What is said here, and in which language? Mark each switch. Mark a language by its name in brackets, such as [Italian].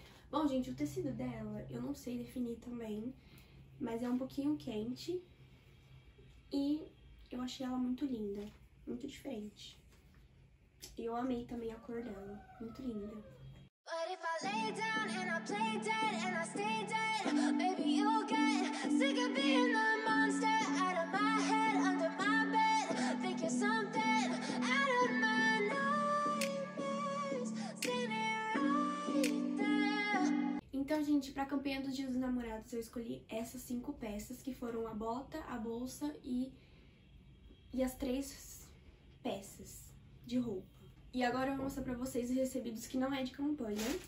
[Portuguese] Bom, gente, o tecido dela, eu não sei definir também, mas é um pouquinho quente. E eu achei ela muito linda, muito diferente. E eu amei também a cor dela, muito linda. [English] But if I lay down and I play dead and I stay dead, maybe you'll get sick of being the monster out of my head, under my bed. Think you're something out of my nightmares. See me right there. [Portuguese] Então, gente, pra campanha do Dia dos Namorados, eu escolhi essas 5 peças, que foram a bota, a bolsa e as 3 peças de roupa. E agora eu vou mostrar pra vocês os recebidos que não é de campanha.